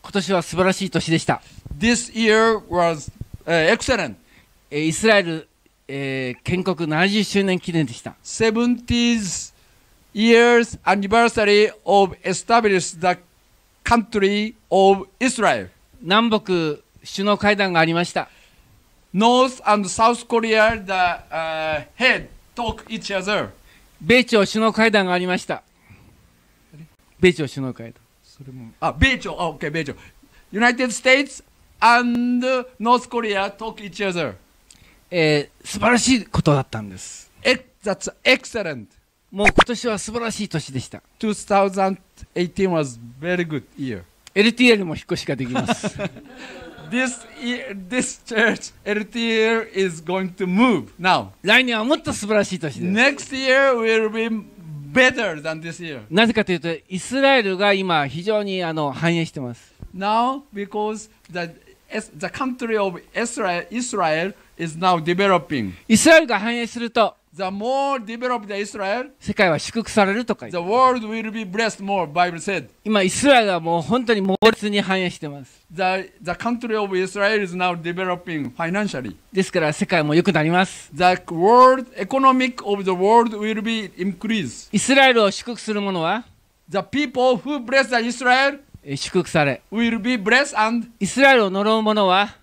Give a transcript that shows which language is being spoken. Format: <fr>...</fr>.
<ja>今年は素晴らしい年でした。</ja> <en>This year was excellent.</en> <ja>イスラエル建国70周年記念でした。</ja> <en>70th year's anniversary of establishing the country of Israel.</en> <ja>南北首脳会談がありました。</ja> <en>North and South Korea, the head talk each other.</en> <ja>米朝首脳会談がありました。米朝首脳会談。それも。あ、米朝、あ、OK、米朝。</ja> <en>United States and North Korea talk each other.</en> <ja>素晴らしいことだったんです。</ja> <en>That's excellent.</en> <ja>もう今年は素晴らしい年でした。</ja> <en>2018 was very good year.</en> <ja>LTL も引っ越しができます。</ja> <en>This year, this church, LTL is going to move now.</en> <ja>来年はもっと素晴らしい年です。</ja> <en>Next year will be better than this year.</en> <ja>なぜかというと、イスラエルが今非常に繁栄してます。</ja> <en>Now, because the country of Israel is now developing.</en> <ja>イスラエルが繁栄すると、</ja> <en>the more developed the Israel,</en> <ja>世界は祝福されるとか言って、</ja> <en>the world will be blessed more, Bible said.</en> <ja>今イスラエルはもう本当に猛烈に繁栄してます。</ja> <en>The country of Israel is now developing financially.</en> <ja>ですから世界も良くなります。</ja> <en>The world economic of the world will be increased.</en> <ja>イスラエルを祝福する者は、</ja> <en>the people who bless the Israel</en> <ja>祝福され、</ja> <en>will be blessed and</en> <ja>イスラエルを呪う者は、</ja>